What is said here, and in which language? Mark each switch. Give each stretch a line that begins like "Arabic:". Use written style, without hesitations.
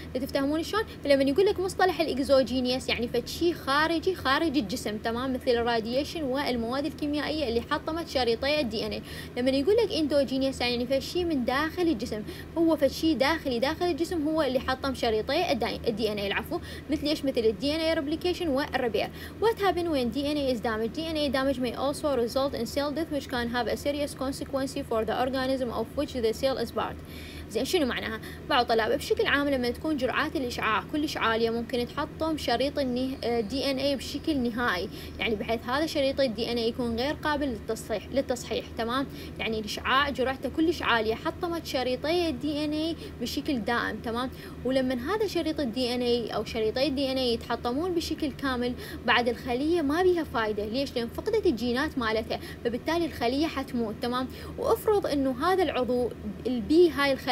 Arabic: تفهمون شلون؟ لما يقول لك مصطلح الإكزوجينيس، يعني فتشي خارجي خارج الجسم، تمام، مثل الراديشن والمواد الكيميائية اللي حطمت شريطي الدي إن إي. لما يقول لك إندوجينيس، يعني فتشي من داخل الجسم، هو فتشي داخلي داخل الجسم هو اللي حطم شريطي الدي إن إي، العفو، مثل إيش؟ مثل الدي إن إي ريبليكيشن والربير.
English: What happens when DNA is damaged? DNA damage may also result in cell death which can have a serious consequence for the organism of which the cell is part.
Arabic: زين شنو معناها؟ بعض طلاب بشكل عام لما تكون جرعات الإشعاع كلش عالية ممكن تحطم شريط الدي ان اي بشكل نهائي، يعني بحيث هذا شريط الدي ان اي يكون غير قابل للتصحيح، تمام؟ يعني الإشعاع جرعته كلش عالية حطمت شريطي الدي ان اي بشكل دائم، تمام؟ ولما هذا شريط الدي ان اي أو شريطي الدي ان اي يتحطمون بشكل كامل، بعد الخلية ما بيها فايدة، ليش؟ لأن فقدت الجينات مالتها، فبالتالي الخلية حتموت، تمام؟ وافرض إنه هذا العضو البي هاي الخلية